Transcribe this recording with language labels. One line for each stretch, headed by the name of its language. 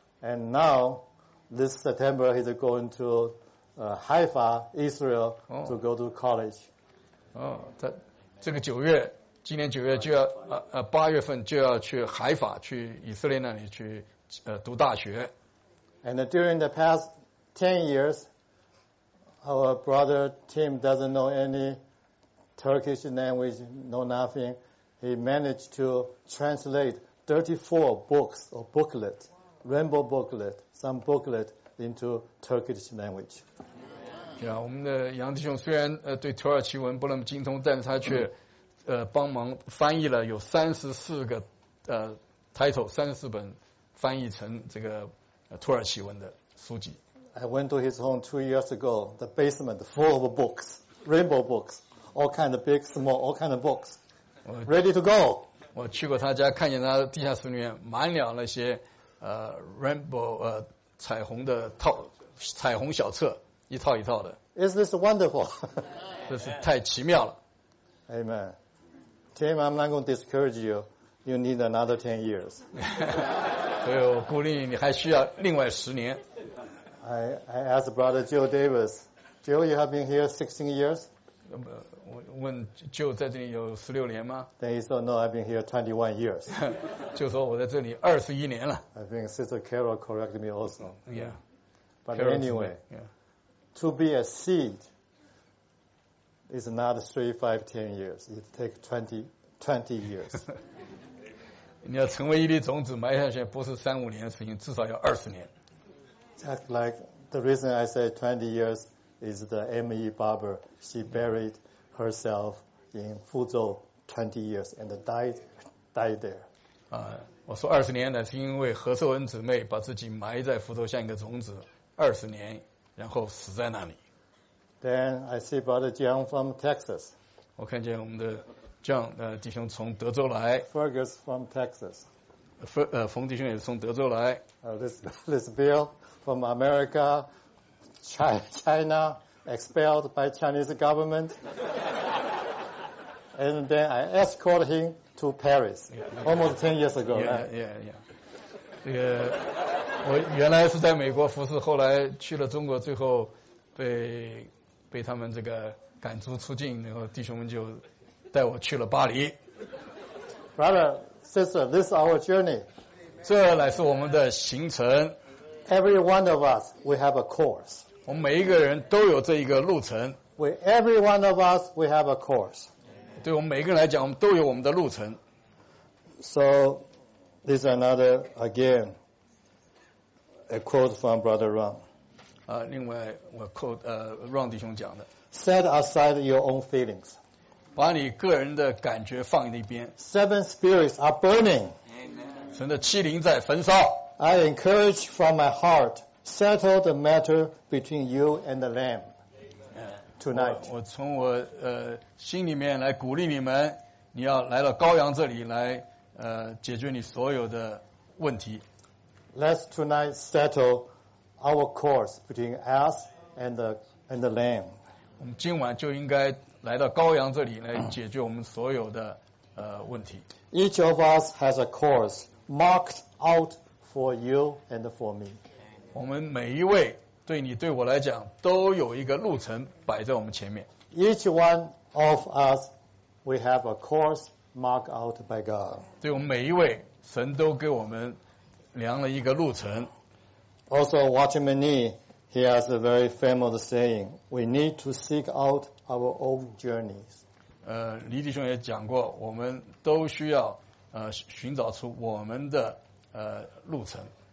English: And now, this September, he's going to Haifa, Israel, to go to college.
Chinese: 这个九月，今年九月就要八月份就要去海法，去以色列那里去读大学。
English: And during the past 10 years, our brother Tim doesn't know any Turkish language, know nothing. He managed to translate 34 books or booklet, rainbow booklet, some booklet into Turkish language.
Chinese: 对啊，我们的杨弟兄虽然对土耳其文不那么精通，但是他却帮忙翻译了有34个title， 34本翻译成这个土耳其文的书籍。
English: I went to his home 2 years ago. The basement full of books, rainbow books, all kind of big, small, all kind of books, ready to go.
Chinese: 我去过他家，看见他地下室里面满了那些rainbow 彩虹的套彩虹小册。一套一套的。
English: Is this wonderful?
Chinese: 这是太奇妙了。
English: Amen. Tim, I'm not going to discourage you. You need another 10 years.
Chinese: 所以我鼓励你，你还需要另外10年。
English: I asked brother Joe Davis. Joe, you have been here 16 years?
Chinese: 我问 Joe 在这里有16年吗？
English: Then he said, no, I've been here 21 years.
Chinese: 就说我在这里21年了。
English: I think Sister Carol corrected me also. Yeah. But、Carol's、anyway.、Yeah. To be a seed is not 3, 5, 10 years. It takes 20 years.
Chinese: 你要成为一粒种子埋下去不是三五年的事情至少要20年。
English: Just like the reason I say 20 years is the M.E. Barber. She buried herself in Fuzhou 20 years and died there.
Chinese: 我说20年呢是因为何寿恩姊妹把自己埋在福州像一个种子20年。然后死在那里。
English: Then I see Brother John from Texas.
Chinese: 我看见我们的 John 弟兄从德州来。
English: Fergus from Texas.
Chinese: 冯弟兄也是从德州来。
English: This Bill from America, China, expelled by Chinese government. And then I escort him to Paris, almost 10 years ago. Yeah.
Chinese: 我原来是在美国服侍，后来去了中国，最后被他们这个赶逐出境，然后弟兄们就带我去了巴黎。
English: Brother, sister, this is our journey.
Chinese: 这乃是我们的行程。
English: Every one of us, we have a course.
Chinese: 我们每一个人都有这一个路程。
English: Every one of us, we have a course.
Chinese: 对我们每一个人来讲，我们都有我们的路程。
English: So, this is another again. A quote from Brother Ron.
Chinese: 另外我 quote Ron 弟兄讲的。
English: Set aside your own feelings.
Chinese: 把你个人的感觉放一边。
English: Seven spirits are burning.
Chinese: 神的七灵在焚烧。
English: I encourage from my heart, settle the matter between you and the Lamb. Tonight.
Chinese: 我从我心里面来鼓励你们，你要来到羔羊这里来解决你所有的问题。
English: Let's tonight settle our course between us and the Lamb.
Chinese: 我们今晚就应该来到羔羊这里来解决我们所有的问题。
English: Each of us has a course marked out for you and for me.
Chinese: 我们每一位对你对我来讲都有一个路程摆在我们前面。
English: Each one of us, we have a course marked out by God.
Chinese: 对我们每一位，神都给我们。量了一个路程。
English: Also, Watchman Nee, he has a very famous saying: "We need to seek out our own journeys."
Chinese: 李弟兄也讲过，我们都需要寻找出我们的路程。